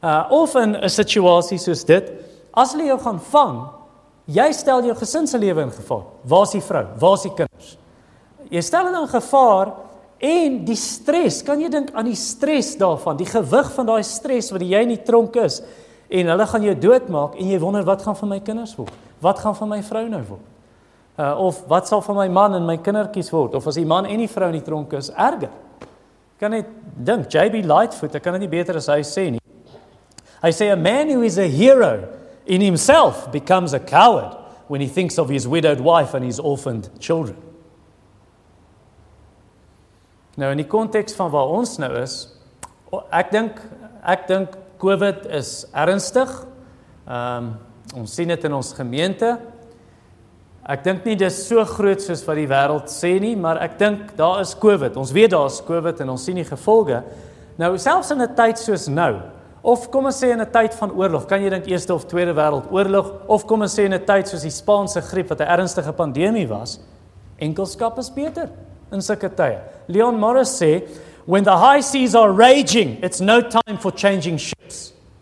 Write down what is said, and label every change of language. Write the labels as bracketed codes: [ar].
[af] Of in 'n situasie soos dit, as hulle jou gaan vang, jy stel jou gesin se lewe in gevaar. Waar is die vrou? Waar is die kinders? Jy stel hulle in gevaar en die stres, kan jy dink aan die stres daarvan, die gewig van daai stres wat jy in die tronk is, en hulle gaan jou doodmaak en jy wonder wat gaan van my kinders word? Wat gaan van my vrou nou word? Of wat sal van my man en my kindertjies word? Of as die man en die vrou in die tronk is, erger. Ek kan net dink, J.B. Lightfoot, ek kan dit nie beter as hy sê nie. Hy sê, [en] a man who is a hero in himself becomes a coward when he thinks of his widowed wife and his orphaned children. [af] Nou, in die context van waar ons nou is, ek dink COVID is ernstig, ons sien dit in ons gemeente. Ek dink nie dis so groot soos wat die wêreld sê nie, maar ek dink daar is COVID. Ons weet daar is COVID en ons sien die gevolge. Nou, selfs in 'n tyd soos nou, of kom ons sê in 'n tyd van oorlog, kan jy dink Eerste of Tweede Wêreldoorlog, of kom ons sê in 'n tyd soos die Spaanse griep, wat 'n ernstige pandemie was, enkelskap is beter in sulke tye. [en] Leon Morris sê, when the high seas are raging, it's no time for changing ships.